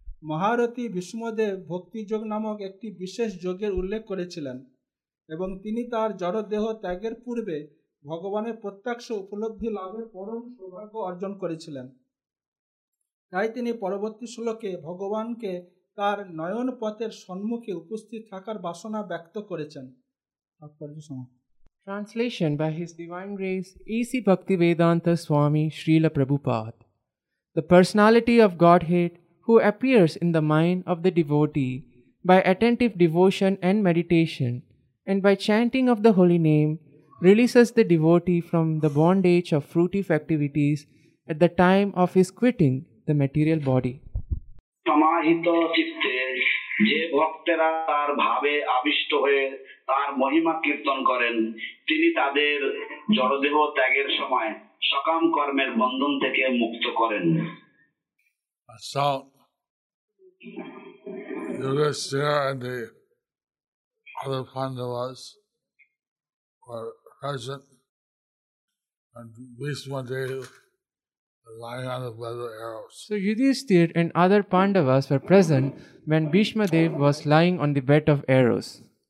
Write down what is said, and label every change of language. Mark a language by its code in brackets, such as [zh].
[bn] মহারথি ভীষ্মদেব ভক্তিযোগ নামক একটি বিশেষ যোগের উল্লেখ করেছিলেন এবং তিনি তার জড়দেহ ত্যাগের পূর্বে ভগবানের প্রত্যক্ষ উপলব্ধি লাভের পরম সৌভাগ্য অর্জন করেছিলেন। তাই তিনি পরবর্তী শ্লোকে ভগবানকে তার নয়ন পথের সম্মুখে উপস্থিত থাকার বাসনা ব্যক্ত করেছেন। [en] Translation by His Divine Grace E.C. Bhaktivedanta Swami Srila Prabhupada. The personality of Godhead who appears in the mind of the devotee by attentive devotion and meditation and by chanting of the holy name releases the devotee from the bondage of fruitive activities at the time of his quitting the material body. [bn] Samahita chitte je bhaktera tar bhave abishto hoye তার মহিমা কীর্তন করেন, তিনি তাদের জড়দেহ ত্যাগের সময় সকাম কর্মের বন্ধন থেকে মুক্ত করেন। [en] Yudhishthira and the other Pandavas were present, and Bhishma Deva lying on the bed of arrows. So Yudhishthira and other Pandavas were present when Bhishma Deva was lying on the bed of arrows.